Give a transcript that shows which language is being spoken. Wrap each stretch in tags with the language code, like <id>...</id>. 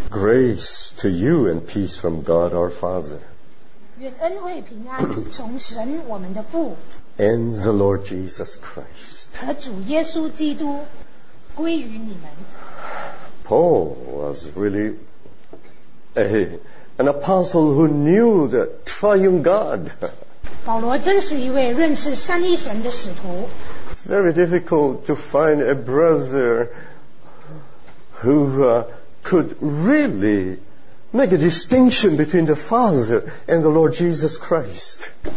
<en>Grace to you and peace from God our Father.</en> <zh>愿恩惠平安从神我们的父。</zh> <en>And the Lord Jesus Christ.</en> <zh>和主耶稣基督归于你们。</zh> <en>Paul was really an apostle who knew the triune God.</en> <zh>保罗真是一位认识三一神的使徒。</zh> <en>It's very difficult to find a brother who could really make a distinction between the Father and the Lord Jesus Christ.</en>